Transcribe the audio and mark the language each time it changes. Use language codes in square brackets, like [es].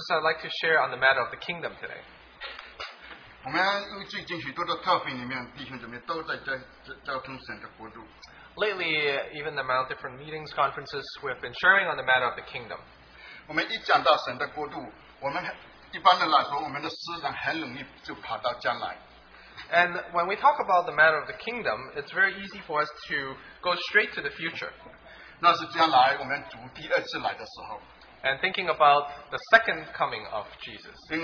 [en] I'd like to share on the matter of the kingdom today. [zh] 我们最近许多的特会里面，弟兄姐妹都在交通神的国度。Lately, [en] even the amount of different meetings, conferences, we have been sharing on the matter of the kingdom. [zh] 我们一讲到神的国度，我们一般的来说，我们的思想很容易就跑到将来。 [en] And when we talk about the matter of the kingdom, it's very easy for us to go straight to the future. [zh] 那是将来我们主第二次来的时候。 [en] And thinking about the second coming of Jesus.